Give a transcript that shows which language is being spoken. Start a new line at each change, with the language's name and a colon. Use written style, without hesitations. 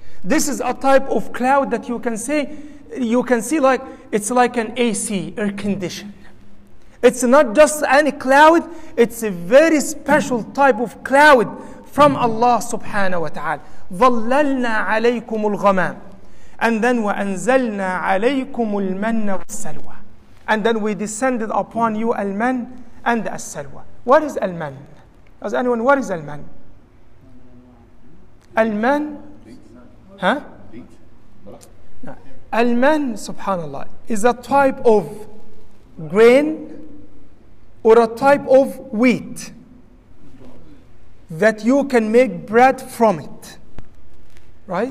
English: This is a type of cloud that you can see like it's like an AC, air condition. It's not just any cloud, it's a very special type of cloud from Allah subhanahu wa ta'ala.
Arabic: ظَلَّلْنَا عَلَيْكُمُ الْغَمَامِ.
English: And then
Arabic: وَأَنْزَلْنَا عَلَيْكُمُ الْمَنَّ وَالسَّلْوَى.
English: And then we descended upon you al-man and al-salwa. What is al-man? Does anyone, what is al-man? Al-man? Huh? Al-man, subhanAllah, is a type of grain or a type of wheat that you can make bread from it. Right?